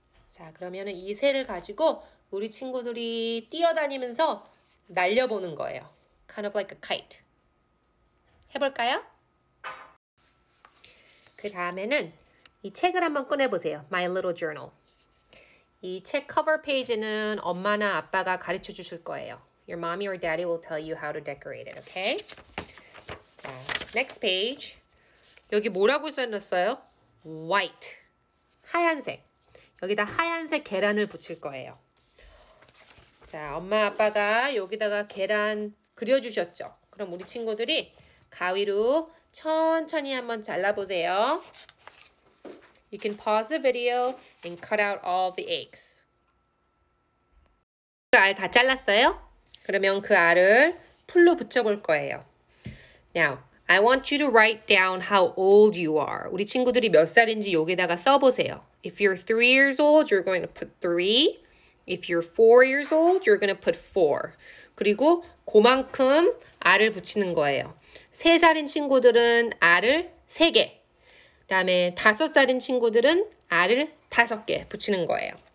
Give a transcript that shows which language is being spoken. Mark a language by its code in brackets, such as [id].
[ko] 자, 그러면은 이 새를 가지고 우리 친구들이 뛰어다니면서 날려보는 거예요. [en] Kind of like a kite. [ko] 해볼까요? 그 다음에는 이 책을 한번 꺼내보세요. [en] My Little Journal. [ko] 이 책 커버 페이지는 엄마나 아빠가 가르쳐 주실 거예요. [en] Your mommy or daddy will tell you how to decorate it, okay? Next page. [ko] 여기 뭐라고 써놨어요? White. 하얀색. 여기다 하얀색 계란을 붙일 거예요. 자, 엄마 아빠가 여기다가 계란 그려주셨죠? 그럼 우리 친구들이 가위로 천천히 한번 잘라보세요. [en] You can pause the video and cut out all the eggs. [ko] 그 알 다 잘랐어요? 그러면 그 알을 풀로 붙여볼 거예요. [en] Now, I want you to write down how old you are. [ko] 우리 친구들이 몇 살인지 여기다가 써보세요. [en] If you're 3 years old, you're going to put 3. If you're 4 years old, you're going to put 4. [ko] 그리고 그만큼 알을 붙이는 거예요. 3살인 친구들은 알을 3개. 다음에 5살인 친구들은 알을 5개 붙이는 거예요.